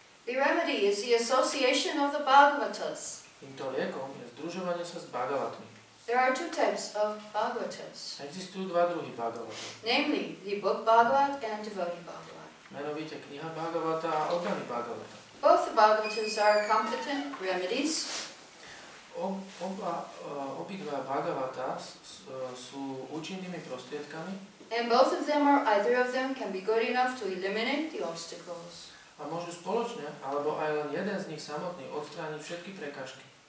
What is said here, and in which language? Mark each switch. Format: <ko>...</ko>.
<en>The remedy is the association of the Bhagavatas.</en> <sk>Týmto liekom je združovanie sa s Bhagavatmi.</sk> <en>There are two types of Bhagavatas.</en> <sk>Existujú dva druhy Bhagavatov.</sk> <en>Namely, the book Bhagavat and devotee Bhagavat.</en> <sk>Menovite kniha Bhagavata a oddaný Bhagavata.</sk> <en>Both the Bhagavatas are competent remedies.</en> <sk>Obidva Bhagavata sú účinnými prostriedkami.</sk> <en>And both of them or either of them can be good enough to eliminate the obstacles.</en> <sk>A môžu spoločne, alebo aj len jeden z nich samotný, odstrániť všetky prekážky.</sk>